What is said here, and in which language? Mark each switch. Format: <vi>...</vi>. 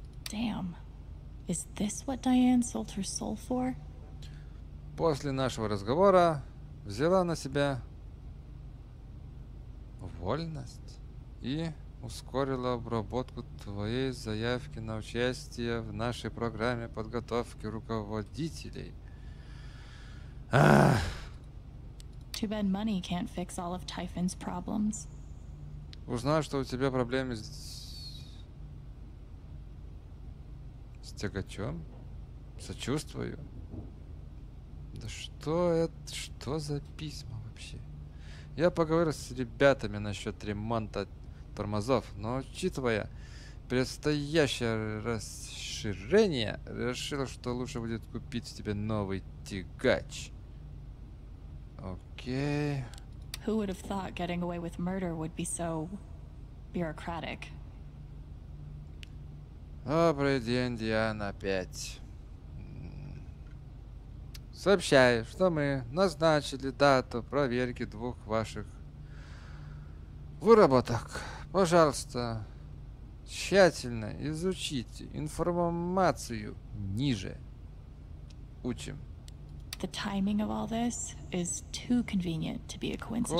<en>Damn. Is this what Diane sold her soul for?</en> <ru>после нашего разговора взяла на себя вольность и ускорила обработку твоей заявки на участие в нашей программе подготовки руководителей.</ru> <en>Too bad money can't fix all of Typhon's problems.</en> <ru>Узнаю, что у тебя проблемы с тягачом. Сочувствую. Да что это? Что за письма вообще? Я поговорю с ребятами насчет ремонта тормозов, но учитывая предстоящее расширение, решил, что лучше будет купить тебе новый тягач. Окей.</ru> <en>Who would have thought getting away with murder would be so bureaucratic?</en> <ru>Добрый день, Диана, опять. Сообщаю, что мы назначили дату проверки двух ваших выработок. Пожалуйста, тщательно изучите информацию ниже. Учим.</ru> <en>The timing of all this is too convenient to be a coincidence.</en>